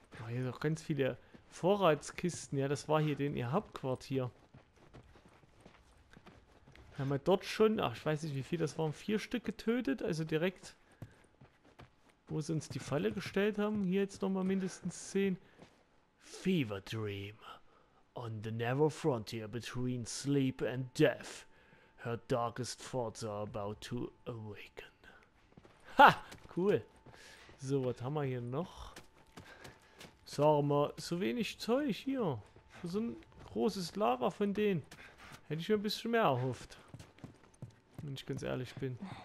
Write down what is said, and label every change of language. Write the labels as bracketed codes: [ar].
[de] Hier sind auch ganz viele Vorratskisten. Ja, das war hier ihr Hauptquartier. Wir haben ja dort schon, ich weiß nicht wie viel das waren, 4 Stück getötet. Also direkt, wo sie uns die Falle gestellt haben. Hier jetzt nochmal mindestens 10. [en] Fever Dream. On the narrow frontier between sleep and death. Her darkest thoughts are about to awaken. [de] Ha, cool. So, was haben wir hier noch? Sag mal, so wenig Zeug hier. Für so ein großes Lager von denen. Hätte ich mir ein bisschen mehr erhofft. Wenn ich ganz ehrlich bin.